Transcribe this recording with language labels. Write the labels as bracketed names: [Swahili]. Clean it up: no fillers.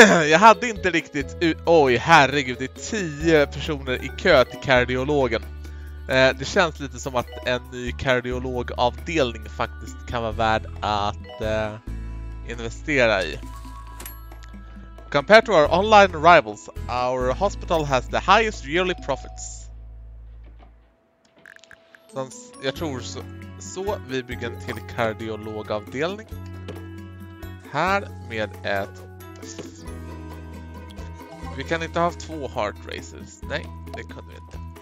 [Swedish] jag hade inte riktigt... Oj, herregud, det är 10 personer i kö till kardiologen. Det känns lite som att en ny kardiologavdelning faktiskt kan vara värd att investera i. [English] Compared to our online rivals, our hospital has the highest yearly profits. [Swedish] Så jag tror så vi bygger en till kardiologavdelning. Här med ett... vi kan inte ha 2 heart races. Nej, det kunde vi inte.